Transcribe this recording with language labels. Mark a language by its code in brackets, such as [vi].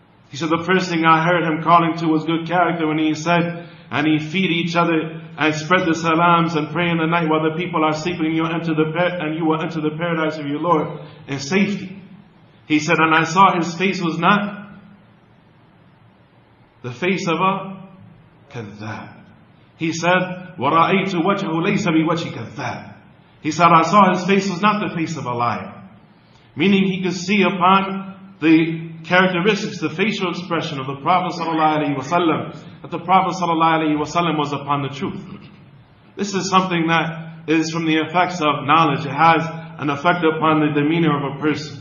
[en] He said, the first thing I heard him calling to was good character when he said, and he feed each other and spread the salams and pray in the night while the people are sleeping, you enter the and you will enter the paradise of your Lord in safety. He said, and I saw his face was not the face of a kadhab. He said, [ar] وَرَأَيْتُ وَجْهُ لَيْسَ بِوَجْهِ كَذَّابِ. [en] He said, I saw his face was not the face of a liar. Meaning he could see upon the characteristics, the facial expression of the Prophet ﷺ, that the Prophet ﷺ was upon the truth. This is something that is from the effects of knowledge. It has an effect upon the demeanor of a person.